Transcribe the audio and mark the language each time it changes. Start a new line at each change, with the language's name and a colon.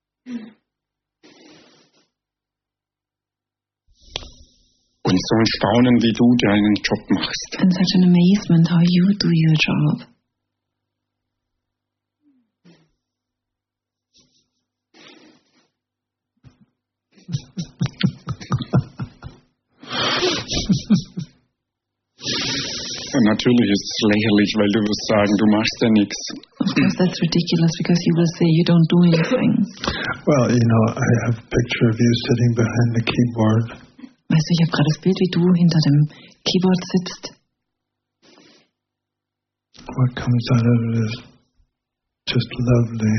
German: Und so ein Staunen, wie du deinen Job machst.
English: And such an amazement, how you do your job.
German: Ja, natürlich ist es lächerlich, weil du wirst sagen, du machst ja nichts.
English: Of course, that's ridiculous, because you will say you don't do anything. Well, you know, I have a picture of you sitting behind the keyboard.
German: Weißt du, ich habe gerade das Bild, wie du hinter dem Keyboard sitzt.
English: What comes out of it is just lovely.